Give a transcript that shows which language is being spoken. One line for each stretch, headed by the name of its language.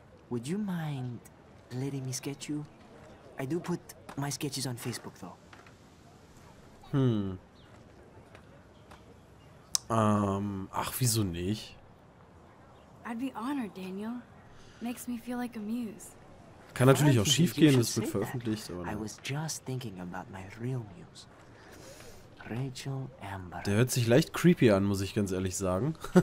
English: Would you mind letting me sketch you? I do put my sketches on Facebook, though.
German: Ach, wieso nicht?
English: I'd be honored, Daniel. Makes me feel like a muse.
German: Kann natürlich auch schief gehen, es wird veröffentlicht, aber...
English: I was just thinking about my real muse. Rachel Amber.
German: Der hört sich leicht creepy an, muss ich ganz ehrlich sagen.